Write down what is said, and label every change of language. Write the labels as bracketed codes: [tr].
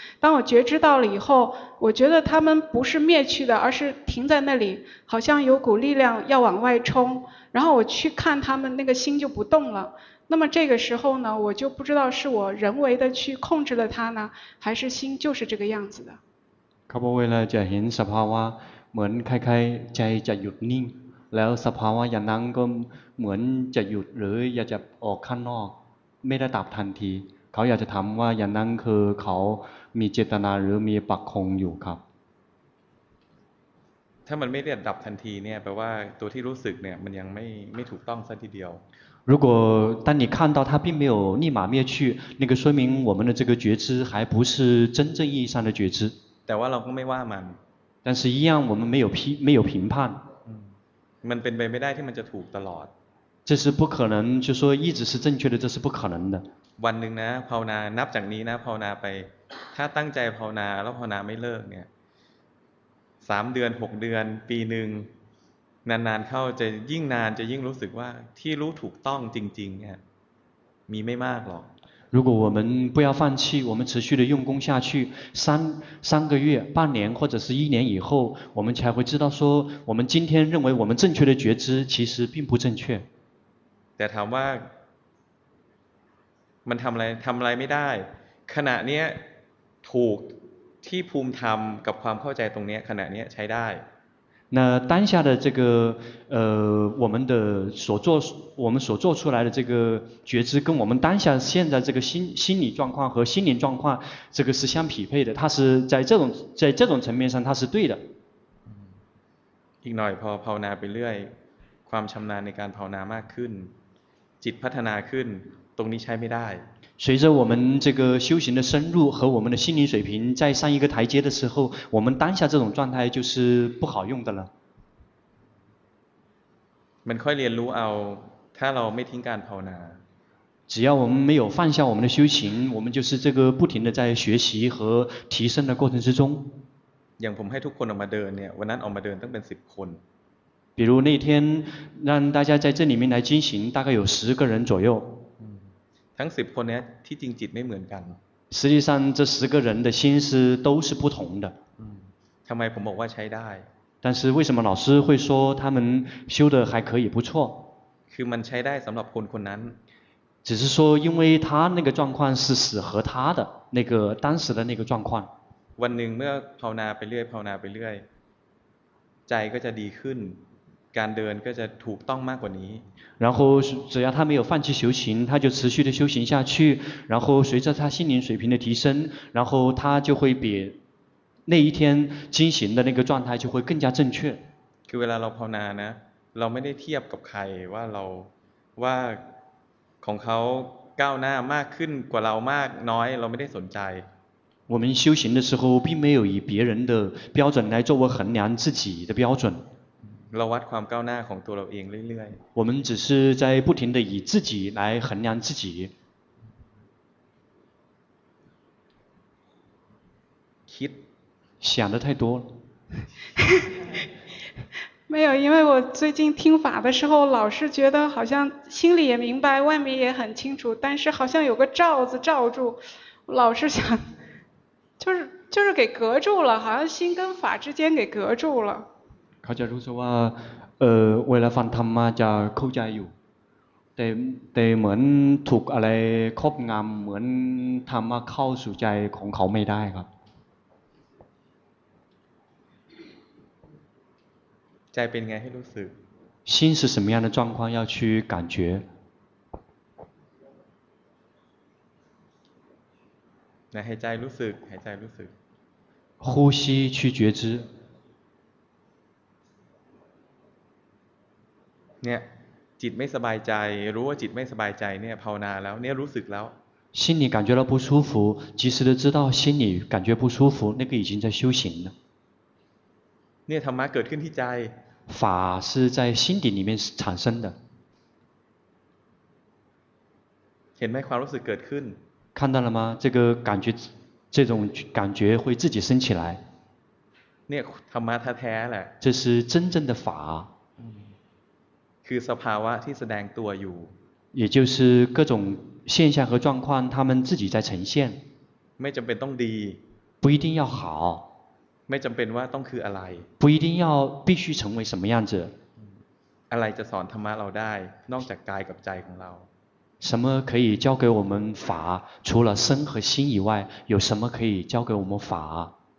[zh] 当我觉知到了以后，我觉得他们不是灭去的，而是停在那里，好像有股力量要往外冲，然后我去看他们，那个心就不动了。那么这个时候呢，我就不知道是我人为的去控制了它呢，还是心就是这个样子的。 [th] เขาบอกเวลาจะเห็นสภาวะเหมือนคล้ายๆใจจะหยุดนิ่งแล้วสภาวะอย่างนั้นก็เหมือนจะหยุดหรืออยากจะออกข้างนอกไม่ได้ตอบทันทีเขาอยากจะถามว่าอย่างนั้นคือเขามีเจตนาหรือมีปักคงอยู่ครับ ถ้ามันไม่ได้ดับทันทีเนี่ยแปลว่าตัวที่รู้สึกเนี่ยมันยังไม่ถูกต้องซะทีเดียว [zh] 如果当你看到它并没有立马灭去那个说明我们的这个觉知还不是真正意义上的觉知 [th] แต่ว่าเราก็ไม่ว่ามัน [zh] 但是一样我们没有评判 [th] มันเป็นไปไม่ได้ที่มันจะถูกตลอด [zh] 这是不可能就说一直是正确的这是不可能的 [th] วันหนึ่งนะภาวนานับจากนี้นะภาวนาไปถ้าตั้งใจภาวนาแล้วภาวนาไม่เลิกเนี่ย3เดือน6เดือนปีนึงนานๆเข้าจะยิ่งนานจะยิ่งรู้สึกว่าที่รู้ถูกต้องจริงๆเนี่ยมีไม่มากหรอก [zh] 如果我们不要放弃，我们持续的用功下去，三个月、半年或者是一年以后，我们才会知道说，我们今天认为我们正确的觉知，其实并不正确。 [th] แต่ถามว่า มันทำอะไรไม่ได้ขณะนี้ถูกที่ภูมิธรรมกับความเข้าใจตรงนี้ขณะนี้ใช้ได้ [zh] 那当下的这个我们的所做我们所做出来的这个觉知跟我们当下现在这个心理状况和心灵状况这个是相匹配的它是在这种层面上它是对的 [th] อีกหน่อยพอภาวนาไปเรื่อยความชำนาญในการภาวนามากขึ้นจิตพัฒนาขึ้นตรงนี้ใช้ไม่ได้ [zh] 随着我们这个修行的深入和我们的心理水平在上一个台阶的时候我们当下这种状态就是不好用的了 [th] มันค่อยเรียนรู้เอาถ้าเราไม่ทิ้งการภาวนา [zh] 只要我们没有放下我们的修行我们就是这个不停的在学习和提升的过程之中 [th] อย่างผมให้ทุกคนออกมาเดินเนี่ยวันนั้นออกมาเดินต้องเป็น10คน [zh] 比如那天让大家在这里面来进行大概有10个人左右 [th] ทั้ง10คนเนี้ยที่จริงจิตไม่เหมือนกัน [zh] 实际上这十个人的心思都是不同的 [th] ทำไมผมบอกว่าใช้ได้ [zh] 但是为什么老师会说他们修的还可以不错 [th] คือมันใช้ได้สำหรับคนคนนั้น [zh] 只是说因为他那个状况是适合他的那个当时的那个状况 [th] วันหนึ่งเมื่อภาวนาไปเรื่อยภาวนาไปเรื่อยใจก็จะดีขึ้นการเดินก็จะถูกต้องมากกว่านี้ [zh] 然后只要他没有放弃修行他就持续的修行下去然后随着他心灵水平的提升然后他就会比那一天进行的那个状态就会更加正确 [th] คือเวลาเราภาวนานะเราไม่ได้เทียบกับใครว่าของเขาก้าวหน้ามากขึ้นกว่าเรามากน้อยเราไม่ได้สนใจ [zh] 我们修行的时候并没有以别人的标准来作为衡量自己的标准 [th] เราวัดความก้าวหน้าของตัวเราเองเรื่อย [zh] ๆ我们只是在不停地以自己来衡量自己 [th] คิด [zh] 想的太多没有因为我最近听法的时候老是觉得好像心里也明白外面也很清楚但是好像有个罩子罩住老是想就是给隔住了好像心跟法之间给隔住了 [th] เขาจะรู้สึกว่าเวลาฟังธรรมมาจะเข้าใจอยู่แต่เหมือนถูกอะไรครอบงำเหมือนธรรมะเข้าสู่ใจของเขาไม่ได้ครับ ใจเป็นไงให้รู้สึก [zh] 心是什么样的状况要去感觉 [th] ให้ใจรู้สึกให้ใจรู้สึก [zh] 呼吸去觉知 [th] เนี่ยจิตไม่สบายใจรู้ว่าจิตไม่สบายใจเนี่ยภาวนาแล้วเนี่ยรู้สึกแล้ว [zh] 心里感觉到不舒服及时的知道心里感觉不舒服那个已经在修行了 [th] เนี่ยธรรมะเกิดขึ้นที่ใจ [zh] 法是在心底里面产生的 [th] เห็นไหมความรู้สึกเกิดขึ้น [zh] 看到了吗这个感觉这种感觉会自己升起来 [th] เนี่ยธรรมะแท้แหละ [zh] 这是真正的法 [th] คือสภาวะที่แสดงตัวอยู่ [zh] 也就是各种现象和状况他们自己在呈现 [th] ไม่จำเป็นต้องดี [zh] 不一定要好 [th] ไม่จำเป็นว่าต้องคืออะไร [zh] 不一定要必须成为什么样子 [th] อะไรจะสอนธรรมะเราได้นอกจากกายกับใจของเรา [zh] 什么可以教给我们法除了身和心以外有什么可以教给我们法